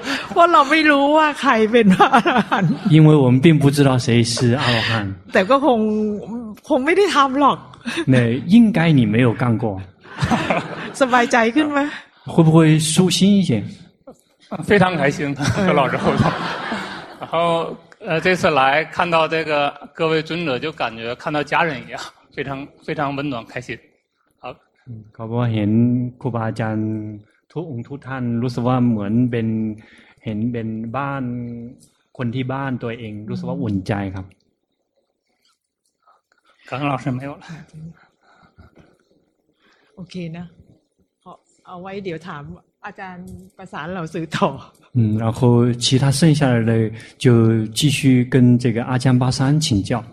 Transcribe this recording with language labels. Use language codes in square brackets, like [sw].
[th] เพราะเราไม่รู้ว่าใครเป็นพระอรหันต์ [zh] 因为我们并不知道谁是阿罗汉 [th] แต่ก็คงไม่ได้ทำหรอก [zh] 那应该你没有干过 [th] สบายใจขึ้นไหม [zh] 会不会舒心一些非常开心和老师互动然后这次来看到这个各位尊者就感觉看到家人一样非常非常温暖开心。好 [th] ก็บอกเห็นครูบาอาจารย์ทุกองค์ทุกท่านรู้สึกว่าเหมือนเป็นเห็นเป็นบ้านคนที่บ้านตัวเองรู้สึกว่าอุ่นใจครับ กังหลอกใช่ไหมวะ โอเคนะเอาไว้เดี๋ยวถามอาจารย์ประสานเราสื่อต่ออื [zh] ม然后其他剩下的就继续跟这个阿江巴山请教